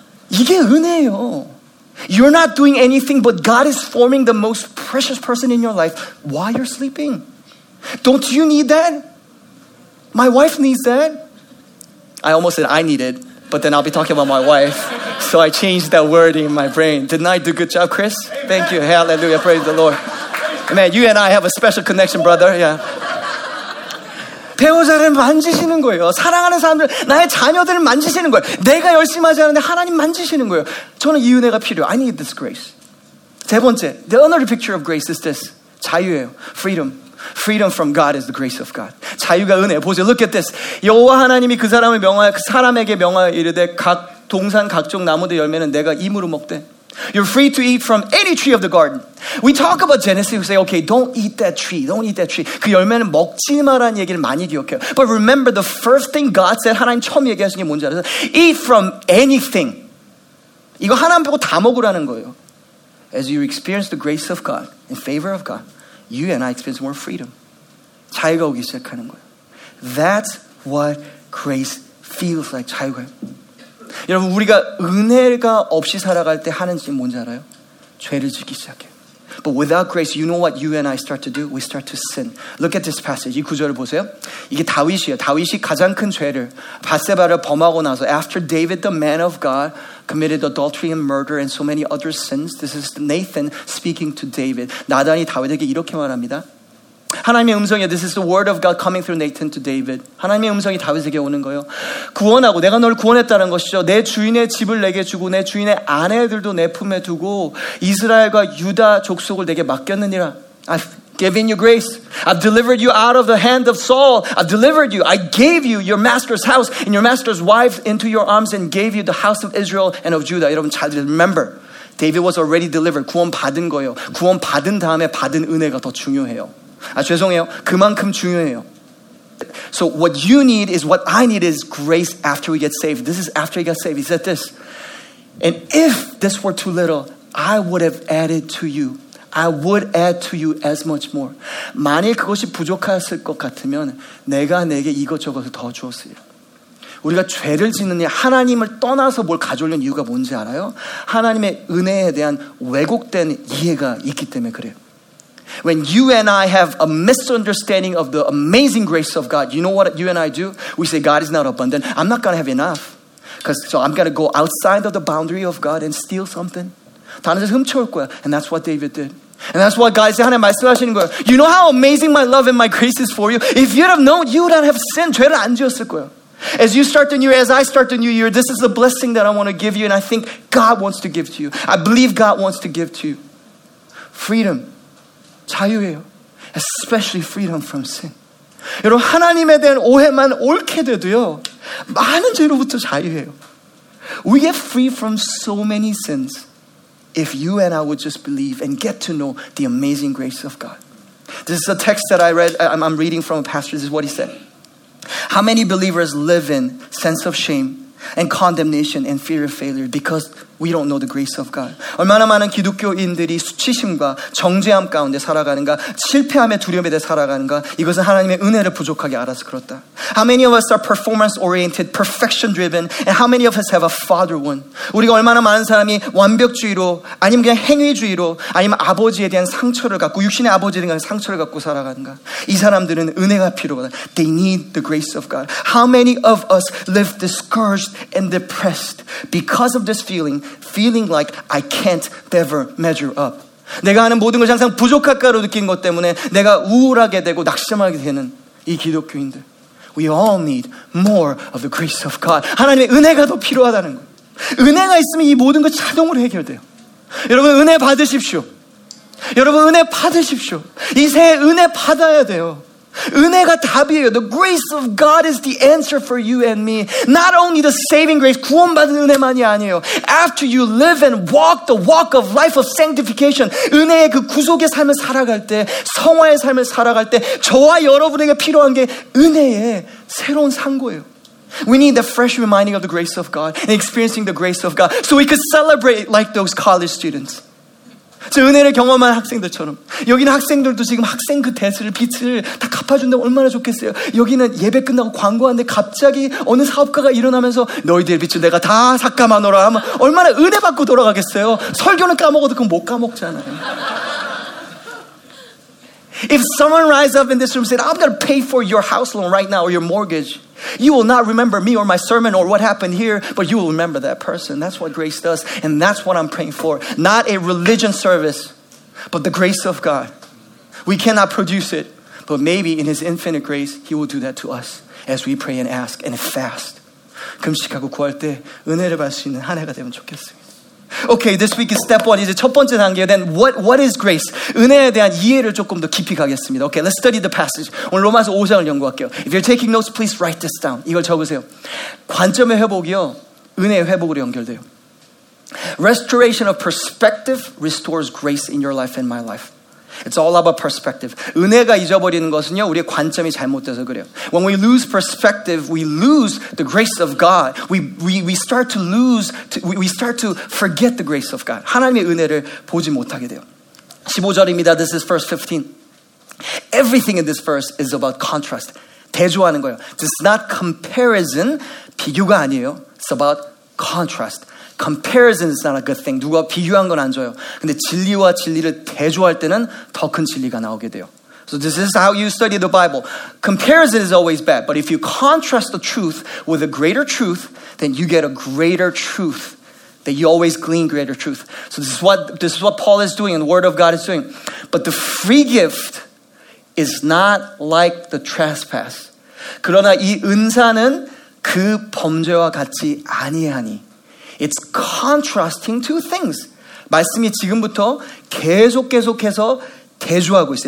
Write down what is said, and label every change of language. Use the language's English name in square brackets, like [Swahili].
[Korean] 이게 은혜예요. [English] You're not doing anything but God is forming the most precious person in your life while you're sleeping. Don't you need that? My wife needs that. I almost said I need it, but then I'll be talking about my wife. So I changed that word in my brain. Didn't I do a good job, Chris? Amen. Thank you. Hallelujah. Praise the Lord. Man, you and I have a special connection, brother. Yeah. [Korean] 배우자를 만지시는 거예요. 사랑하는 사람들, 나의 자녀들을 만지시는 거예요. 내가 열심히 하지 않는데 하나님 만지시는 거예요. 저는 이 은혜가 필요해요. [English] I need this grace. [Korean] 세 번째, [English] the another picture of grace is this. [Korean] 자유예요. Freedom. [English] Freedom from God is the grace of God. [Korean] 자유가 은혜. 보세요. [English] Look at this. [Korean] 여호와 하나님이 그 사람을 명하여 그 사람에게 명하여 이르되 각 동산 각종 나무들 열매는 내가 임으로 먹되. [English] You're free to eat from any tree of the garden. We talk about Genesis. We say, okay, don't eat that tree. Don't eat that tree. [Korean] 그 열매는 먹지 마라는 얘기를 많이 기억해요. [English] But remember the first thing God said, [Korean] 하나님 처음 얘기하신 게 뭔지 알아서 [English] eat from anything. [Korean] 이거 하나님 보고 다 먹으라는 거예요. [English] As you experience the grace of God, in favor of God, you and I experience more freedom. [Korean] 자유가 오기 시작하는 거예요. [English] That's what grace feels like. 자유가요. [Korean] 여러분 우리가 은혜가 없이 살아갈 때 하는 짓 뭔지 알아요? 죄를 짓기 시작해요. [English] But without grace, you know what you and I start to do? We start to sin. Look at this passage. [Korean] 이 구절을 보세요. 이게 다윗이에요. 다윗이 가장 큰 죄를 바세바를 범하고 나서 [English] after David, the man of God, committed adultery and murder and so many other sins. This is Nathan speaking to David. [Korean] 나단이 다윗에게 이렇게 말합니다. 하나님의 음성이요. [English] This is the word of God coming through Nathan to David. [Korean] 하나님의 음성이 다윗에게 오는 거예요. 구원하고 내가 너를 구원했다는 것이죠. 내 주인의 집을 내게 주고 내 주인의 아내들도 내 품에 두고 이스라엘과 유다 족속을 내게 맡겼느니라. [English] I've given you grace. I've delivered you out of the hand of Saul. I've delivered you. I gave you your master's house and your master's wife into your arms and gave you the house of Israel and of Judah. [Korean] 여러분 잘 [English] remember. David was already delivered. [Korean] 구원 받은 거예요. 구원 받은 다음에 받은 은혜가 더 중요해요. 아 죄송해요. 그만큼 중요해요. [English] So what you need is what I need is grace after we get saved. This is after you got saved. He said this. And if this were too little, I would have added to you. I would add to you as much more. [Korean] 만일 그것이 부족했을 것 같으면 내가 내게 이것저것을 더 주었으리라. 우리가 죄를 짓느냐 하나님을 떠나서 뭘 가져오려는 이유가 뭔지 알아요? 하나님의 은혜에 대한 왜곡된 이해가 있기 때문에 그래요. [English] When you and I have a misunderstanding of the amazing grace of God, you know what you and I do? We say, God is not abundant. I'm not going to have enough. So I'm going to go outside of the boundary of God and steal something. [Korean] 다른 데서 훔쳐올 거야. [English] And that's what David did. And that's what God said, [Korean] 하나님 말씀하시는 거예요. [English] You know how amazing my love and my grace is for you? If you'd have known, you would not have sinned. [Korean] 죄를 안 지었을 거예요. [English] As you start the new year, as I start the new year, this is a blessing that I want to give you. And I think God wants to give to you. I believe God wants to give to you. Freedom. 자유예요. Especially freedom from sin. [Korean] 여러분 하나님에 대한 오해만 옳게 돼도요. 많은 죄로부터 자유예요. [English] We get free from so many sins. if you and I would just believe and get to know the amazing grace of God. This is a text that I read, I'm reading from a pastor. This is what he said. How many believers live in sense of shame and condemnation and fear of failure because we don't know the grace of God. [Korean] 얼마나 많은 기독교인들이 수치심과 정죄함 가운데 살아가는가, 실패함의 두려움에 대해 살아가는가, 이것은 하나님의 은혜를 부족하게 알아서 그렇다. [English] How many of us are performance oriented, perfection driven, and how many of us have a father wound? [Korean] 우리가 얼마나 많은 사람이 완벽주의로, 아니면 그냥 행위주의로, 아니면 아버지에 대한 상처를 갖고, 육신의 아버지에 대한 상처를 갖고 살아가는가. 이 사람들은 은혜가 필요하다. [English] They need the grace of God. How many of us live discouraged and depressed because of this feeling? Feeling like I can't ever measure up. [Korean] 내가 하는 모든 것이 항상 부족할까로 느낀 것 때문에 내가 우울하게 되고 낙심하게 되는 이 기독교인들. [English] We all need more of the grace of God. [Korean] 하나님의 은혜가 더 필요하다는 거. 은혜가 있으면 이 모든 것 자동으로 해결돼요. 여러분 은혜 받으십시오. 여러분 은혜 받으십시오. 이 새해 은혜 받아야 돼요. 은혜가 답이에요. [English] The grace of God is the answer for you and me. Not only the saving grace, [Korean] 구원받은 은혜만이 아니에요. [English] After you live and walk the walk of life of sanctification, [Korean] 은혜의 그 구속의 삶을 살아갈 때, 성화의 삶을 살아갈 때, 저와 여러분에게 필요한 게 은혜의 새로운 상고예요. [English] We need the fresh reminding of the grace of God and experiencing the grace of God so we could celebrate like those college students. [Korean] 저 은혜를 경험한 학생들처럼 여기는 학생들도 지금 학생 그 대수를 빚을 다 갚아준다 얼마나 좋겠어요. 여기는 예배 끝나고 광고하는데 갑자기 어느 사업가가 일어나면서 너희들의 빚을 내가 다 삭감하노라 하면 얼마나 은혜 받고 돌아가겠어요. 설교는 까먹어도 그건 못 까먹잖아요. [English] If someone rise up in this room and said, I'm going to pay for your house loan right now or your mortgage, you will not remember me or my sermon or what happened here, but you will remember that person. That's what grace does, and that's what I'm praying for. Not a religion service, but the grace of God. We cannot produce it, but maybe in his infinite grace, he will do that to us as we pray and ask and fast. [Korean] 금식하고 구할 때 은혜를 받을 수 있는 한 해가 되면 좋겠습니다. [English] Okay, this week is step one. [Korean] 이제 첫 번째 단계. [English] Then what is grace? [Korean] 은혜에 대한 이해를 조금 더 깊이 가겠습니다. [English] Okay, let's study the passage. [Korean] 오늘 로마서 5장을 연구할게요. [English] If you're taking notes, please write this down. [Korean] 이걸 적으세요. 관점의 회복이요. 은혜의 회복으로 연결돼요. [English] Restoration of perspective restores grace in your life and my life. It's all about perspective. [Korean] 은혜가 잊어버리는 것은요, 우리의 관점이 잘못돼서 그래요. [English] When we lose perspective, we lose the grace of God. We start to forget the grace of God. [Korean] 하나님의 은혜를 보지 못하게 돼요. 15절입니다. [English] This is verse 15. Everything in this verse is about contrast. [Korean] 대조하는 거예요. [English] This is not comparison, [Korean] 비교가 아니에요. [English] It's about contrast. Comparison is not a good thing. [Korean] 누가 비교한 건 안 좋아요. 근데 진리와 진리를 대조할 때는 더 큰 진리가 나오게 돼요. [English] So this is how you study the Bible. Comparison is always bad. But if you contrast the truth with a greater truth, then you get a greater truth. That you always glean greater truth. So this is what Paul is doing and the Word of God is doing. But the free gift is not like the trespass. [Korean] 그러나 이 은사는 그 범죄와 같지 아니하니. [English] It's contrasting two things. [Korean] 말씀이 지금부터 계속해서 대조하고 있어요.